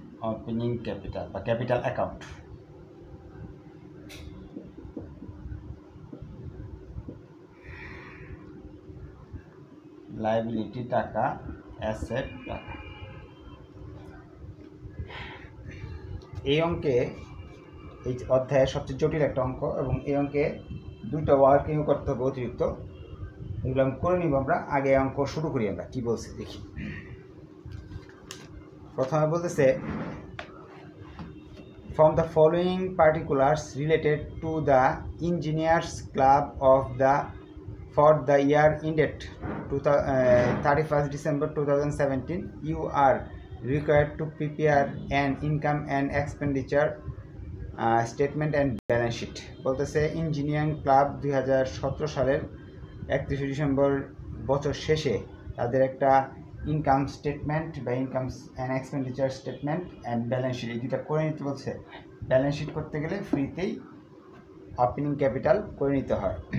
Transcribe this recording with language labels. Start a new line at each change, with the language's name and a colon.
Bangla: Opening capital বা capital account, liability টাকা, asset টাকা। এই অঙ্কে এই অধ্যায়ের সবচেয়ে জটিল একটা অঙ্ক, এবং এই অঙ্কে দুটো ওয়ার্কিং করতে হবে অতিরিক্ত। এগুলো আমি করে নিব আমরা, আগে অঙ্ক শুরু করি আমরা, কী বলছি দেখি। প্রথমে বলতেছে
English: from the following particulars related to the engineers club of the for the year ended 31st December 2017 you are required to prepare an income and expenditure statement and balance sheet.
Bangla: বলতেছে ইঞ্জিনিয়ারিং ক্লাব 2017 সালের 31 December বছর শেষে তাদের একটা income statement বা income and expenditure statement and balance sheet, এই দুটা করে নিতে বলছে। ব্যালেন্স শিট করতে গেলে ফ্রিতেই ওপেনিং ক্যাপিটাল করে নিতে হয়।